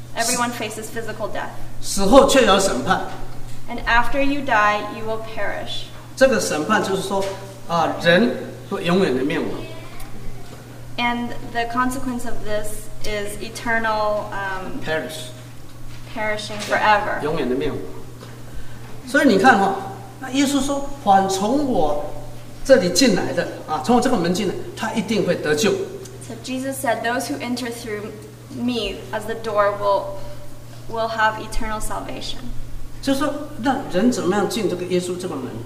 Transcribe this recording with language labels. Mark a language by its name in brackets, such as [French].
[English] Everyone faces physical death. [Chinese] 死后却有审判。 [English] And after you die, you will perish. [Chinese] 这个审判就是说，人会永远的灭亡。 [English] And the consequence of this is eternal perish. Perishing forever. [Chinese] 永远的灭亡。所以你看哈，那耶稣说，凡从我这里进来的啊，从我这个门进来，他一定会得救。 [English] So Jesus said, those who enter through me as the door will have eternal salvation. [Chinese] 就说那人怎么样进这个耶稣这个门